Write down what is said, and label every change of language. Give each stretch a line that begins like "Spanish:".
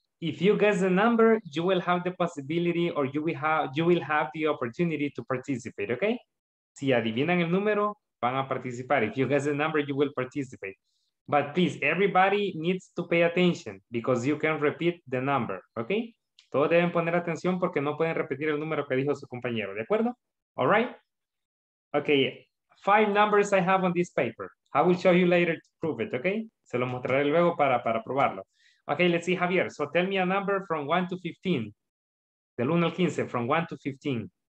English: If you guess the number, you will have the possibility or you will have the opportunity to participate, okay?
Spanish: Si adivinan el número, van a participar.
English: If you guess the number, you will participate. But please, everybody needs to pay attention because you can repeat the number, okay?
Spanish: Todos deben poner atención porque no pueden repetir el número que dijo su compañero, ¿de acuerdo?
English: All right? Okay, 5 numbers I have on this paper. I will show you later to prove it, okay?
Spanish: Se lo mostraré luego para probarlo.
English: Okay, let's see,
Spanish: Javier.
English: So tell me a number from 1 to 15.
Spanish: Del 1 al 15,
English: from 1 to 15.